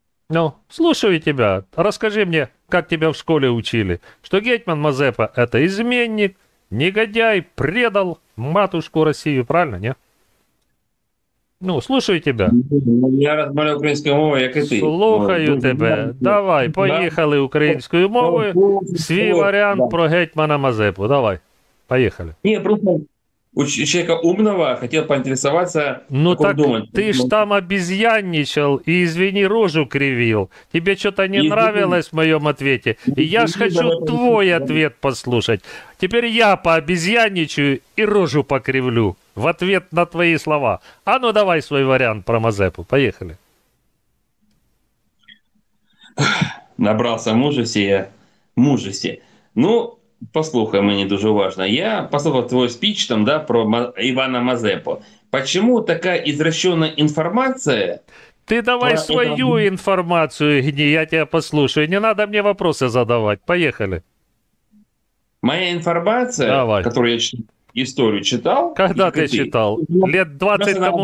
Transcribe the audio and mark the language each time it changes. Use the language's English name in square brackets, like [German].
[Russian] Ну, слушаю тебя. Расскажи мне, как тебя в школе учили, что гетьман Мазепа – это изменник, негодяй, предал матушку Россию, правильно, не? Ну, слушаю тебя. Я размалю украинскую мову, как и ты. [Ukrainian] Слухаю тебе. Давай, поїхали українською мовою. Свій варіант про гетьмана Мазепу. Давай, поїхали. [Russian] Ні, просто у человека умного хотел поинтересоваться, ну, как он думает. Ну так ты ж там обезьянничал и, извини, рожу кривил. Тебе что-то не извини. Нравилось в моем ответе. И я ж хочу твой ответ послушать. Теперь я пообезьянничаю и рожу покривлю в ответ на твои слова. А ну давай свой вариант про Мазепу. Поехали. Набрался мужества, я мужества. Ну... Послухай, мне дуже важно. Я послухав твой спич там, да, про Івана Мазепу. Почему такая извращенная информация? Ты давай свою это... информацию гни, я тебя послушаю. Не надо мне вопросы задавать. Поехали. Моя информация, давай. Которую я историю читал. Когда ты читал? Лет 20 тому